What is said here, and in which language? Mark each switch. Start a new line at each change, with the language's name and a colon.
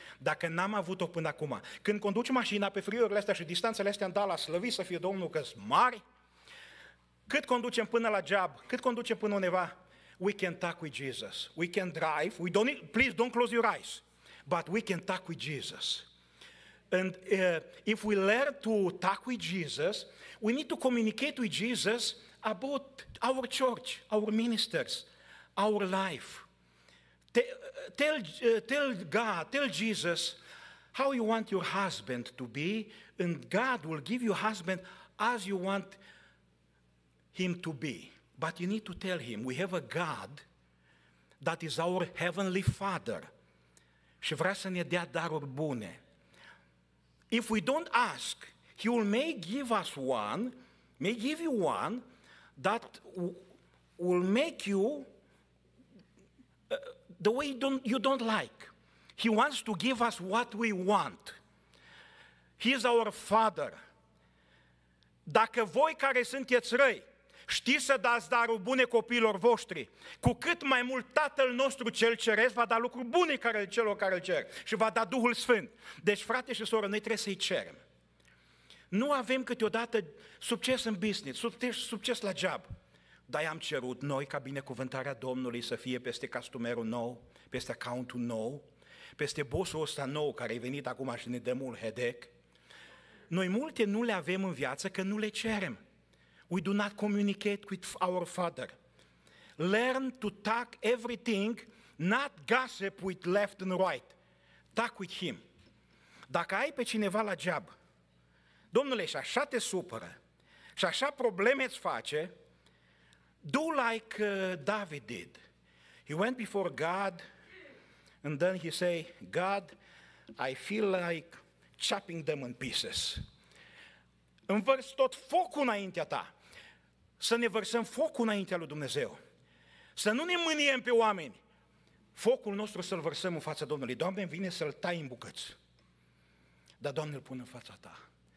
Romanian: Dacă n-am avut-o până acum, când conduci mașina pe friurile astea și distanțele astea în Dallas, slăvit să fie Domnul că-s mari, cât conducem până la job, cât conducem până undeva,
English: we can talk with Jesus,
Romanian: we can drive, we don't need, please don't close your eyes, but we can talk with Jesus.
English: And if we learn to talk with Jesus, we need to communicate with Jesus about our church, our ministers, our life. Tell God, tell Jesus how you want your husband to be, and God will give you husband as you want him to be. But you need to tell him, we have a God that is our heavenly Father
Romanian: și vrea să ne dea daruri bune.
English: If we don't ask, he will may give you one that will make you the way you don't like. He wants to give us what we want. He is our Father.
Romanian: Dacă voi care sunteți răi, știți să dați daruri bune copiilor voștri, cu cât mai mult Tatăl nostru cel ceresc va da lucruri bune celor care îl cer și va da Duhul Sfânt. Deci, frate și soră, noi trebuie să-i cerem. Nu avem câteodată succes în business, succes la job. Dar am cerut noi ca binecuvântarea Domnului să fie peste customerul nou, peste accountul nou, peste bossul ăsta nou care a venit acum și ne dă mult headache. Noi multe nu le avem în viață că nu le cerem.
English: We do not communicate with our Father. Learn to talk everything, not gossip with left and right. Talk with Him.
Romanian: Dacă ai pe cineva la job, Domnule, și așa te supără, și așa probleme îți face,
English: do like David did. He went before God, and then he say, God, I feel like chopping them in pieces.
Romanian: Învărs tot focul înaintea ta. Să ne vărsăm focul înaintea lui Dumnezeu. Să nu ne mâniem pe oameni. Focul nostru să-l vărsăm în fața Domnului. Doamne, vine să-l tai în bucăți. Dar Doamne, îl pun în fața ta.